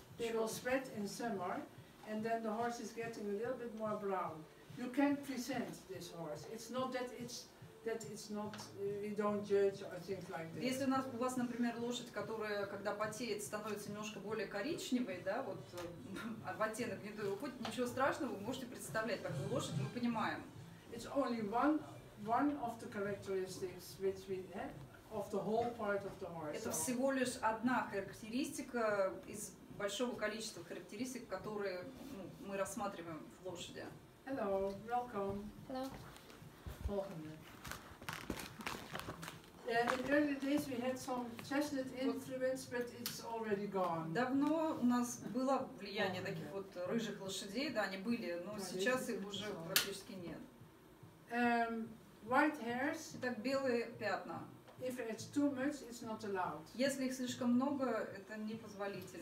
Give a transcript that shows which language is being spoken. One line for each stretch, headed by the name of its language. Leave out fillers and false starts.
English: They will spread in summer, and then the horse is getting a little bit more brown. You can present this horse. It's not that it's not we don't judge or things like this.
Russian: Если у вас, например, лошадь, которая когда потеет, становится немножко более коричневой, да, вот в оттенок гнедой уходит, ничего страшного, вы можете представлять такую лошадь, мы понимаем.
English: It's only one of the characteristics which we have of the whole part of the horse.
Russian: Это всего лишь одна характеристика из большого количества характеристик, которые ну, мы рассматриваем в лошади.
English: Hello, welcome. Hello. Welcome. In the early days we had some chestnut influence, but it's already gone.
Russian: Давно у нас было влияние таких вот рыжих лошадей, да, они были, но сейчас их уже практически нет.
English: White hairs.
Russian: Итак, белые пятна.
English: If it's too much, it's not allowed.
Russian: Если их слишком много, это не позволительно.